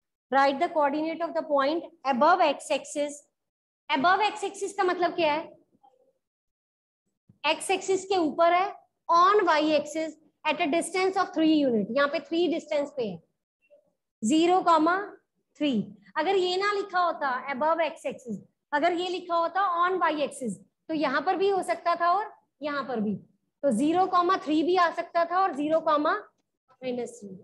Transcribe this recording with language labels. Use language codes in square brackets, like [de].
[en] Write the coordinate of the point above x-axis. Above x-axis [hi] का मतलब क्या है? X-axis के ऊपर है, [en] on y-axis at a distance of 3 units. [hi] यहाँ पे 3 distance पे है. 0, 3. अगर ये ना लिखा होता [en] above x-axis, [hi] अगर ये लिखा होता [en] on y-axis, [hi] तो यहाँ पर भी हो सकता था और यहाँ पर भी. तो 0, 3 भी आ सकता था और 0, -3.